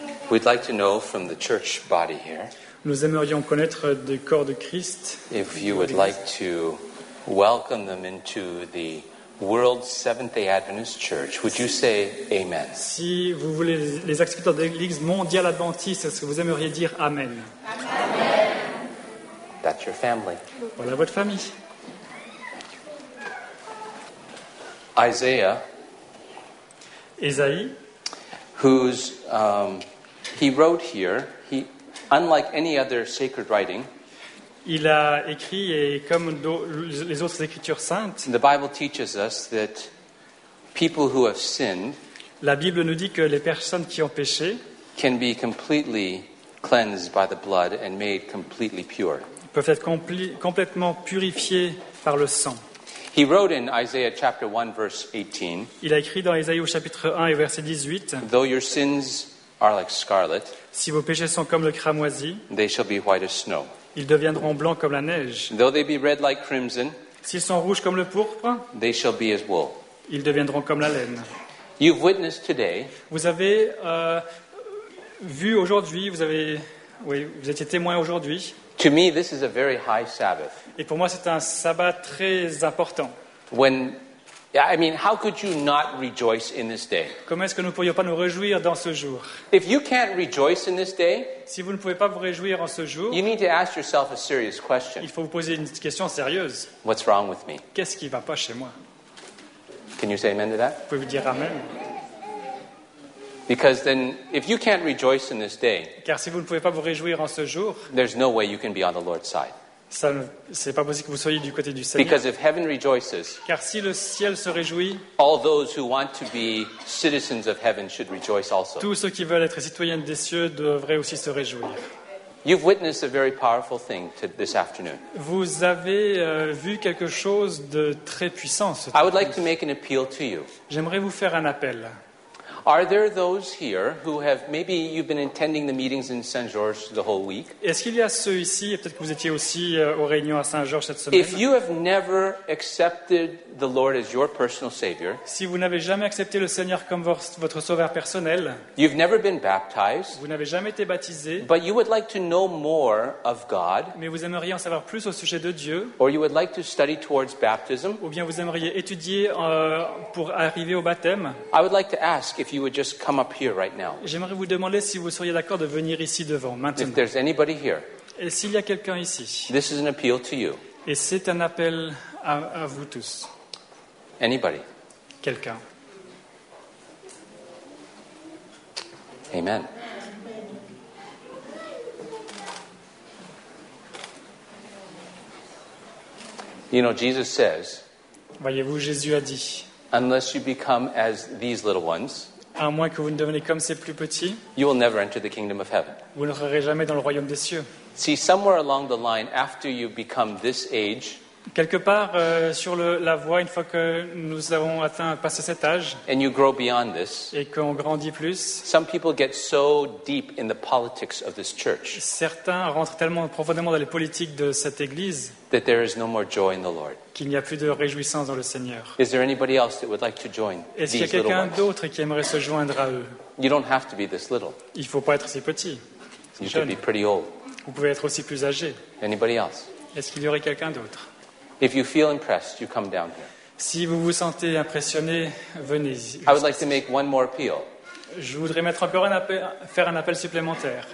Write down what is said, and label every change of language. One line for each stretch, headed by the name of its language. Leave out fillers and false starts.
English: We'd like to know from the church body here.
French: Nous aimerions connaître le corps de Christ.
English: If you would like to welcome them into the World Seventh-day Adventist Church, would you say amen?
French: Si vous voulez les accepter dans l'Église mondiale adventiste, est-ce que vous aimeriez dire amen? Amen.
English: That's your family.
French: Voilà votre famille.
English: Isaiah.
French: Isaïe.
English: Who's he wrote here? He, unlike any other sacred writing.
French: Il a écrit et comme les autres écritures saintes.
English: The Bible teaches us that people who have sinned.
French: La Bible nous dit que les personnes qui ont péché.
English: Can be completely cleansed by the blood and made completely pure.
French: Peuvent être complètement purifiés par le sang.
English: He wrote in Isaiah chapter 1 verse 18.
French: Il a écrit dans Isaïe au chapitre 1 et verset 18.
English: Though your sins are like scarlet.
French: Si vos péchés sont comme le cramoisi.
English: They shall be white as snow.
French: Ils deviendront blancs comme la neige.
English: Though they be red like crimson.
French: S'ils sont rouges comme le pourpre.
English: They shall be as wool.
French: Ils deviendront comme la laine.
English: You've witnessed today.
French: Vous avez vu aujourd'hui. Vous avez, oui, vous étiez témoin aujourd'hui.
English: To me, this is a very high Sabbath.
French: Et pour moi, c'est un sabbat très important.
English: When, I mean, how could you not rejoice in this day?
French: Comment est-ce que nous pourrions pas nous réjouir dans ce jour?
English: If you can't rejoice in this day,
French: si vous ne pouvez pas vous réjouir en ce jour,
English: you need to ask yourself a serious question.
French: Il faut vous poser une question sérieuse.
English: What's wrong with me?
French: Qu'est-ce qui va pas chez moi?
English: Can you say amen to that?
French: Vous pouvez vous dire amen.
English: Because then, if you can't rejoice in this day,
French: car si vous ne pouvez pas vous réjouir en ce jour,
English: there's no way you can be on the Lord's side.
French: Ça, c'est pas possible que vous soyez du côté du Seigneur.
English: Because if heaven rejoices,
French: car si le ciel se réjouit,
English: all those who want to be citizens of heaven should rejoice also.
French: Tous ceux qui veulent être citoyens des cieux devraient aussi se réjouir.
English: You've witnessed a very powerful thing to this afternoon.
French: Vous avez vu quelque chose de très puissant ce
English: I would like to make an appeal to you.
French: J'aimerais vous faire un appel.
English: Are there those here who have maybe you've been attending the meetings in Saint George the whole week?
French: Est-ce qu'il y a ceux ici et peut-être que vous étiez aussi aux réunions à Saint George cette semaine?
English: If you have never accepted the Lord as your personal savior,
French: si vous n'avez jamais accepté le Seigneur comme votre sauveur personnel,
English: you've never been baptized,
French: vous n'avez jamais été baptisé,
English: but you would like to know more of God,
French: mais vous aimeriez en savoir plus au sujet de Dieu,
English: or you would like to study towards baptism,
French: ou bien vous aimeriez étudier pour arriver au baptême,
English: I would like to ask if you would just come up here right now.
French: J'aimerais vous demander si vous seriez d'accord de venir ici devant maintenant.
English: If there's anybody here.
French: Et s'il y a quelqu'un ici.
English: This is an appeal to you.
French: Et c'est un appel à vous tous.
English: Anybody.
French: Quelqu'un. Amen.
English: You know, Jesus says.
French: Voyez-vous, Jésus a dit.
English: Unless you become as these little ones.
French: À moins que vous ne deveniez comme ces plus petits, you will never enter the kingdom of heaven. Vous n'entrerez jamais dans le royaume des cieux.
English: See, somewhere along the line, after you become this age,
French: quelque part sur la voie, une fois que nous avons atteint, passé cet âge,
English: and you grow beyond this,
French: et qu'on grandit plus,
English: some people get so deep in the politics of this church,
French: certains rentrent tellement profondément dans les politiques de cette église,
English: that there is no more joy in the Lord.
French: Qu'il n'y a plus de réjouissance dans le Seigneur.
English: Is there anybody else that would like to join these little ones?
French: Est-ce qu'il y a quelqu'un d'autre qui aimerait se joindre à eux?
English: You don't have to be this little.
French: Il ne faut pas être si petit.
English: You could be pretty old.
French: Vous pouvez être aussi plus âgé.
English: Anybody else?
French: Est-ce qu'il y aurait quelqu'un d'autre?
English: If you feel impressed, you come down here.
French: Si vous vous sentez impressionné, venez.
English: I would like to make one more appeal.
French: Je voudrais mettre encore un appel, faire un appel supplémentaire.